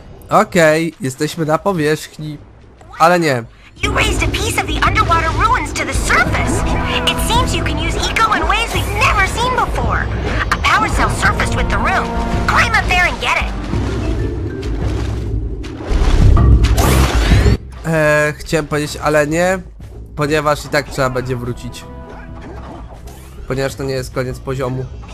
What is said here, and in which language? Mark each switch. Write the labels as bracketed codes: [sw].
[pl] Okej, okay, jesteśmy na powierzchni. Ale nie. [en] You raised a piece of the underwater ruins to the surface. It seems you can use eco in ways we've never seen before. A power cell surfaced with the room. Climb up there and get it. [pl] Chciałem powiedzieć, ale nie, ponieważ i tak trzeba będzie wrócić. Ponieważ to nie jest koniec poziomu.